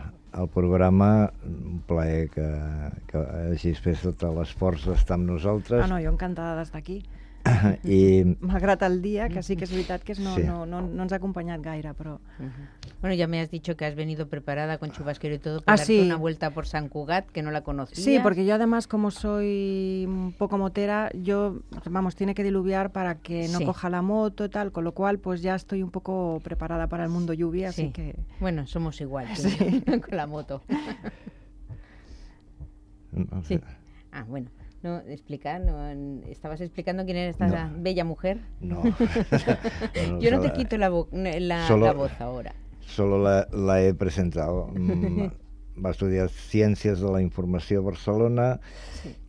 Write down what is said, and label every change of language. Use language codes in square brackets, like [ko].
[ca] El programa, un plaer que hagis fet tot l'esforç d'estar amb nosaltres. Ah, no, jo encantada d'estar aquí. I malgrat el dia, que sí que és veritat que no ens ha acompanyat gaire, però... [es] Bueno, ya me has dicho que has venido preparada con chubasquero y todo para darte una vuelta por San Cugat, que no la conocías. Sí, porque yo además, como soy un poco motera, yo, vamos, tiene que diluviar para que no coja la moto y tal, con lo cual, pues ya estoy un poco preparada para el mundo lluvia, así que... Bueno, somos igual, sí. Con la moto. Sí. Ah, bueno. No, explicar, no, estabas explicando quién era esta bella mujer. No. Yo no te quito la voz ahora. Solo la he presentado. [ca] Va estudiar Ciències de la Informació a Barcelona, sí.